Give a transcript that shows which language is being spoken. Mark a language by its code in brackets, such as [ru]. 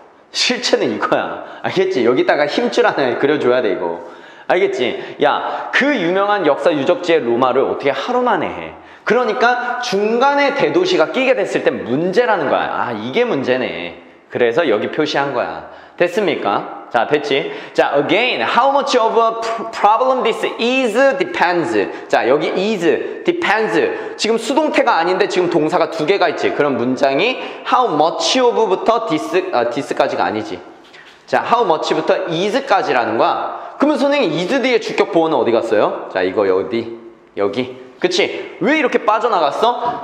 [ko] 실체는 이거야. 알겠지? 여기다가 힘줄 하나 그려줘야 돼, 이거. 알겠지? 야, 그 유명한 역사 유적지의 로마를 어떻게 하루 만에 해? 그러니까 중간에 대도시가 끼게 됐을 때 문제라는 거야. 아, 이게 문제네. 그래서 여기 표시한 거야. 됐습니까? 자, 됐지? [en] 자, again, how much of a problem this is depends. [ko] 자, 여기 is, depends. 지금 수동태가 아닌데 지금 동사가 두 개가 있지. 그럼 문장이 [en] how much of [ko] 부터 this까지가 아니지. 자, [en] how much [ko] 부터 is까지라는 거야. 그러면 선생님 is 뒤에 주격 보호는 어디 갔어요? 자, 이거 여기. 그치? 왜 이렇게 빠져나갔어?